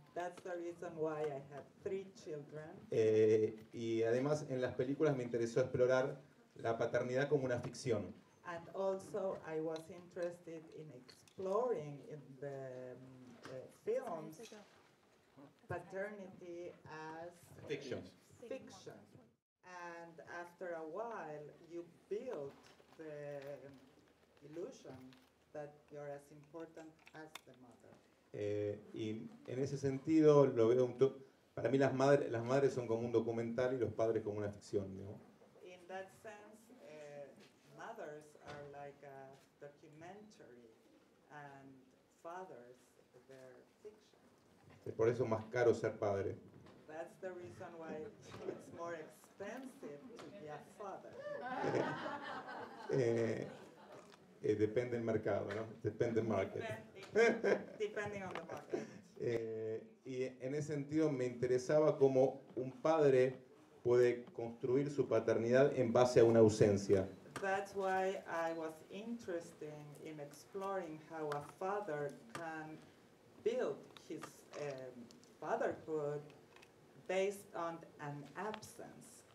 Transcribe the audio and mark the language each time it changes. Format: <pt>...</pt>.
<en>That's the reason why I had three children.</en> <es>Y además en las películas me interesó explorar la paternidad como una ficción.</es> <en>And also I was interested in exploring in the films paternity as fiction. Fiction. And after a while you built the illusion that you're as important as the mother.</en> <es>Y en ese sentido lo veo un para mí las madres son como un documental y los padres como una ficción, ¿no?</es> <en>In that sense, mothers are like a documentary and fathers they're fiction.</en> <es>Por eso es más caro ser padre.</es> <en>That's the reason why it's more expensive to be a father.</en> <es>Depende del mercado, ¿no? Depende del market.</es> <en>Depending on the market.</en> <es>Y en ese sentido me interesaba cómo un padre puede construir su paternidad en base a una ausencia.</es> <en>That's why I was interested in exploring how a father can build his fatherhood based on an absence.</en>